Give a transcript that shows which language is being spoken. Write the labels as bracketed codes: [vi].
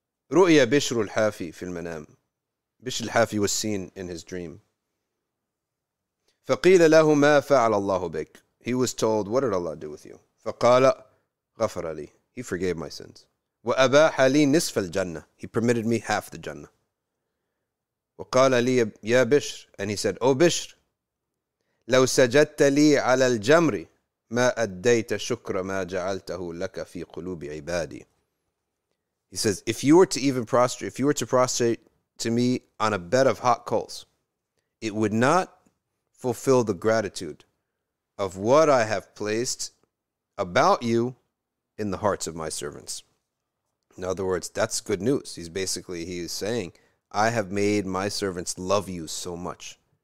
[ar] Ru'ya Bishr al-Hafi fi al-manam. [en] Bishr al-Hafi was seen in his dream. [ar] فَقِيلَ لَهُ مَا فَعَلَ اللَّهُ بِكَ. [en] He was told, what did Allah do with you? [ar] فَقَالَ غَفَرَ لِي. [en] He forgave my sins. [ar] وَأَبَاحَ لِي نِصْفَ الْجَنَّةِ. [en] He permitted me half the Jannah. [ar] وَقَالَ لِي يَا بِشْرِ. [en] And he said, O Bishr, [ar] لَوْ سَجَدْتَ لِي عَلَى الْجَمْرِ مَا أَدَّيْتَ شُكْرَ مَا جَعَلْتَهُ لَكَ فِي قُلُوبِ عِبَادِي. [en] He says, if you were to even prostrate, if you were to prostrate to me on a bed of hot coals, it would not fulfill the gratitude of what I have placed about you in the hearts of my servants. In other words, that's good news. He's saying, I have made my servants love you so much.